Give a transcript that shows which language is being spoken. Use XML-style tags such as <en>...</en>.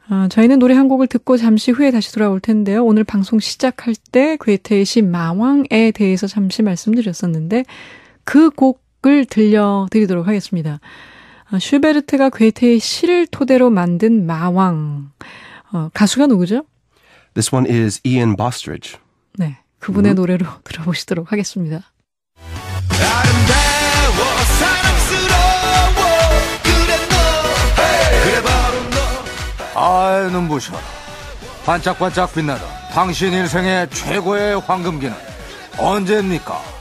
<ko>저희는 노래 한 곡을 듣고 잠시 후에 다시 돌아올 텐데요. 오늘 방송 시작할 때 괴테의 시 마왕에 대해서 잠시 말씀드렸었는데 그 곡 을 들려드리도록 하겠습니다. 슈베르트가 괴테의 시를 토대로 만든 마왕. 가수가 누구죠?</ko> <en>This one is Ian Bostridge.</en> <ko>네, 그분의 노래로 들어보시도록 하겠습니다. 아름다워 사랑스러워 그래 너 그래 바로 너 아이 눈부셔라 반짝반짝 빛나던 당신 일생의 최고의 황금기는 언제입니까?</ko>